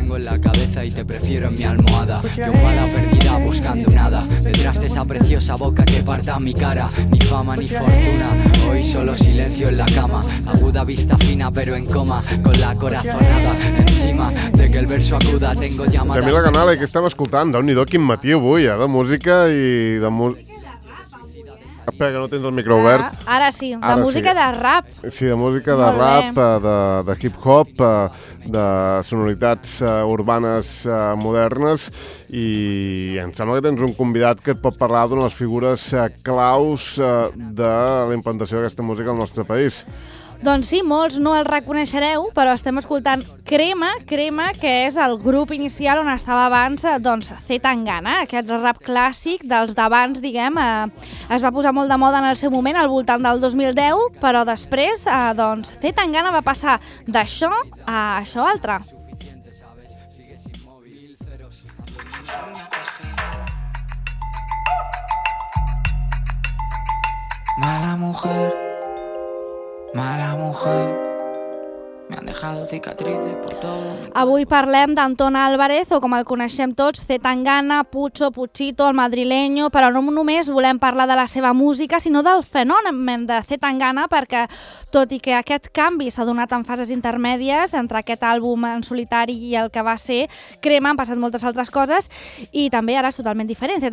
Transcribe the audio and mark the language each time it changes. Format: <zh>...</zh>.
<es>en la cabeza y te prefiero en mi almohada. Yo con la perdida buscando nada, detrás de esa preciosa boca que parta mi cara. Ni fama ni fortuna, hoy solo silencio en la cama. Aguda vista fina pero en coma, con la corazonada encima de que el verso acuda tengo llamadas.</es> <ca>També la canal que estem escoltant, Déu-n'hi-do quin matí avui, de música i de música. Espera, que no tens el micro obert. Ara sí, de ara música sí. De rap. Sí, de música de rap, de hip-hop, de sonoritats urbanes modernes. I em sembla que tens un convidat que et pot parlar d'una de les figures claus de la implantació d'aquesta música al nostre país. Doncs sí, molts no el reconeixereu, però estem escoltant Crema, Crema, que és el grup inicial on estava abans, doncs, C. Tangana, aquest rap clàssic dels d'abans, diguem, es va posar molt de moda en el seu moment, al voltant del 2010, però després, doncs, C. Tangana va passar d'això a això altre.</ca> <es>Mala mujer. Mala mujer, me han dejado cicatrices por todo.</es> <ca>Avui parlem d'Anton Álvarez, o com el coneixem tots, C. Tangana, Pucho, Puchito, el madrileño, però no només volem parlar de la seva música, sinó del fenomen de C. Tangana, perquè tot i que aquest canvi s'ha donat en fases intermèdies entre aquest àlbum en solitari i el que va ser Crema, han passat moltes altres coses, i també ara és totalment diferent. C.</ca>